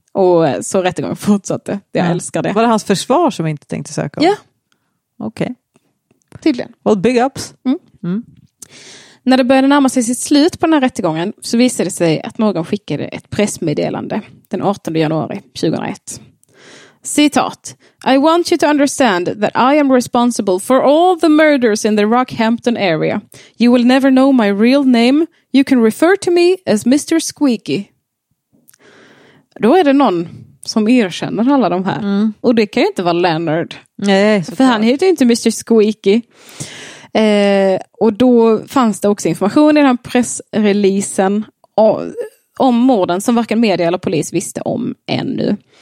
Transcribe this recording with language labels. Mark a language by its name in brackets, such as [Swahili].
[Swedish] Och så rättegången fortsatte. Jag älskar det. Var det hans försvar som inte tänkte söka om? Ja. Okej. Okay. Tydligen. [English] Well, big ups. Mm. Mm. [Swedish] När det började närma sig sitt slut på den här rättegången så visade det sig att Morgan skickade ett pressmeddelande den 18 januari 2001. Citat. [English] I want you to understand that I am responsible for all the murders in the Rockhampton area. You will never know my real name. You can refer to me as Mr. Squeaky. [Swedish] Då är det någon som erkänner alla de här. Mm. Och det kan ju inte vara Leonard. Nej, för han heter inte Mr. Squeaky. Och då fanns det också information i den här pressreleasen om morden som varken media eller polis visste om ännu.